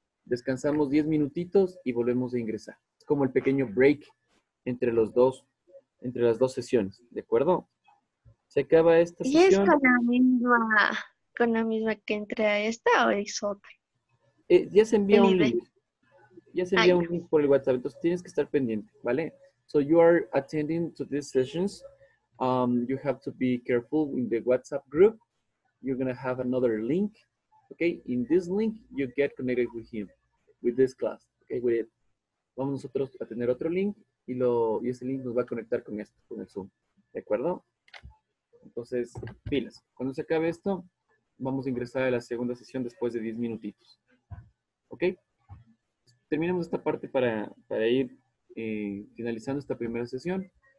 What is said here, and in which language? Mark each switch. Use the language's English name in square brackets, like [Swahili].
[Spanish] Descansamos 10 minutitos y volvemos a ingresar. Es como el pequeño break entre los dos, entre las dos sesiones, ¿de acuerdo? Se acaba esta sesión. ¿Y es con la misma que entré a esta o es otra? Ya se envía un link. Ya se envía un link por el WhatsApp. Entonces, tienes que estar pendiente, ¿vale? [English] So, you are attending to these sessions. You have to be careful in the WhatsApp group. You're going to have another link. Okay? In this link, you get connected with him, with this class. Okay? With it. [Spanish] Vamos nosotros a tener otro link y ese link nos va a conectar con esto, con el Zoom. ¿De acuerdo? Entonces, pilas. Cuando se acabe esto, vamos a ingresar a la segunda sesión después de 10 minutitos. ¿Ok? Terminamos esta parte para ir finalizando esta primera sesión.